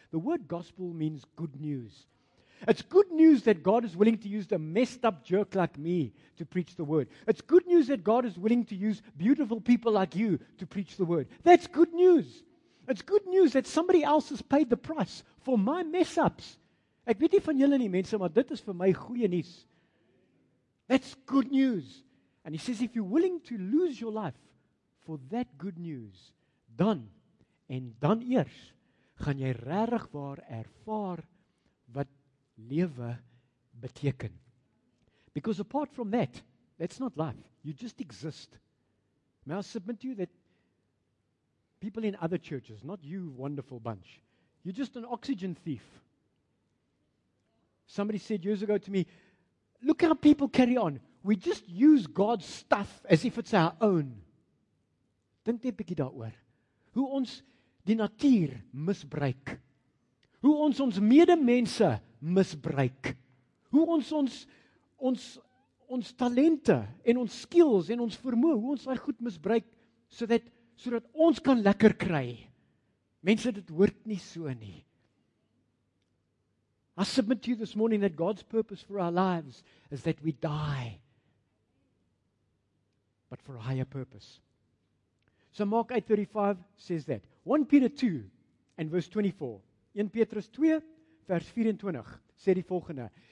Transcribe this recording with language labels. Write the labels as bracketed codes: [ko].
[en] The word gospel means good news. It's good news that God is willing to use a messed up jerk like me to preach the word. It's good news that God is willing to use beautiful people like you to preach the word. That's good news. It's good news that somebody else has paid the price for my mess ups. [af] Ek weet nie van julle nie, mense, maar dit is vir my goeie nuus. [en] That's good news. And he says, if you're willing to lose your life for that good news, [af] dan, en dan eers, gaan jy regtig waar ervaar wat lewe beteken. [en] Because apart from that, that's not life. You just exist. May I submit to you that people in other churches, not you, wonderful bunch, you're just an oxygen thief. Somebody said years ago to me, look how people carry on. We just use God's stuff as if it's our own. [af] Dink net 'n bietjie daaroor. Hoe ons die natuur misbruik. Hoe ons medemense misbruik. Hoe ons talente en ons skills en ons vermoë, hoe ons daai goed misbruik sodat ons kan lekker kry. Mense, dit hoort nie so nie. [en] I submit to you this morning that God's purpose for our lives is that we die. But for a higher purpose. So Mark 8:35 says that. 1 Peter 2 and verse 24. [af] 1 Petrus 2 vers 24 sê die volgende.